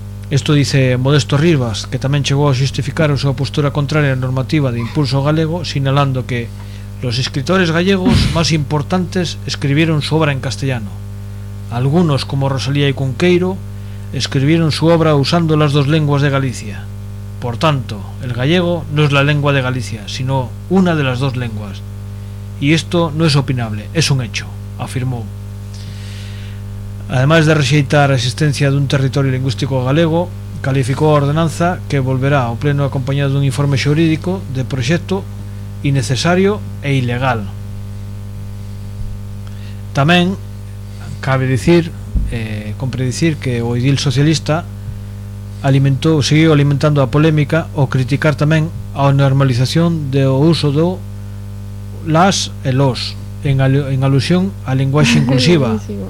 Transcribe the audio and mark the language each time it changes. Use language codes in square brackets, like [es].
[gl] Esto dice Modesto Rivas, que tamén chegou a xustificar a súa postura contraria a normativa de impulso galego, sinalando que [es] los escritores gallegos [gl] máis importantes [es] escribieron su obra en castellano. Algunos, como Rosalía y Cunqueiro, escribieron su obra usando las dos lenguas de Galicia. Por tanto, el gallego no es la lengua de Galicia, sino una de las dos lenguas. Y esto no es opinable, es un hecho, [gl] afirmou. Ademais de rexeitar a existencia dun territorio lingüístico galego, calificou a ordenanza, que volverá ao pleno acompañado dun informe xurídico, de proxecto innecesario e ilegal. Tamén cabe dicir, compredicir que o edil socialista seguiu alimentando a polémica ao criticar tamén a normalización do uso do las e los en alusión á linguaxe inclusiva.